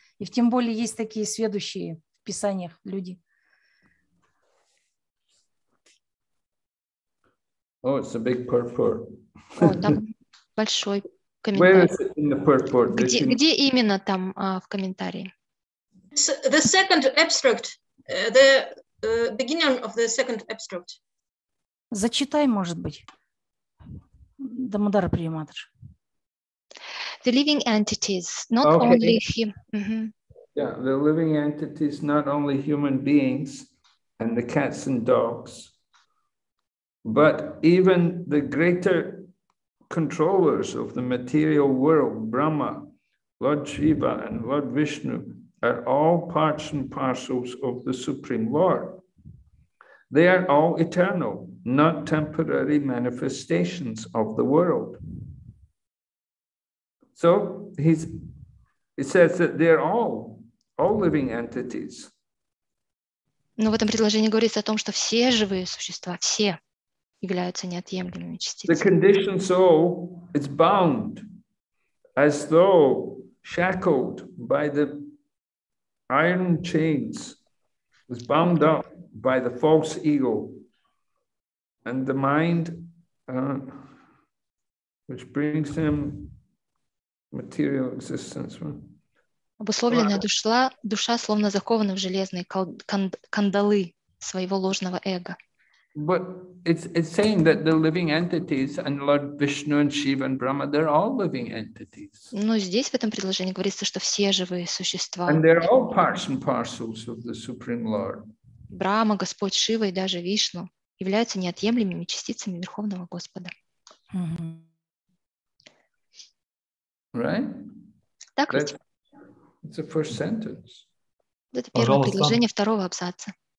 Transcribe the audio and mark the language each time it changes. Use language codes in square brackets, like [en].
[ru] И тем более есть такие сведущие в писаниях люди. [en] Oh, it's a big purport. [ru] Там большой комментарий. [en] Where is it in the purport? [ru] Где именно там в комментарии? [en] The second abstract, the beginning of the second abstract. [ru] Зачитай, может быть, Дамодара Приматаш. [en] The living entities, not okay. Only him. Mm-hmm. Yeah, the living entities, not only human beings and the cats and dogs. But even the greater controllers of the material world, Brahma, Lord Shiva, and Lord Vishnu, are all parts and parcels of the Supreme Lord. They are all eternal, not temporary manifestations of the world. So he says that they are all living entities. [ru] Но в этом предложении говорится о том, что все живые существа, все. Являются неотъемлемыми частицами. [en] The conditioned soul is bound as though shackled by the iron chains, was bound up by the false ego. And the mind, which brings him material existence. [ru] Обусловленная душа, словно закована в железные кандалы своего ложного эго. [en] But it's saying that the living entities and Lord Vishnu and Shiva and Brahma, they're all living entities. [ru] Но здесь в этом предложении говорится, что все живые существа. [en] And they're all parts and parcels of the Supreme Lord. [ru] Брама, Господь Шива и даже Вишну являются неотъемлемыми частицами Верховного Господа. [en] Right? [ru] Так ведь? [en] It's the first sentence. [ru] Это первое предложение второго абзаца.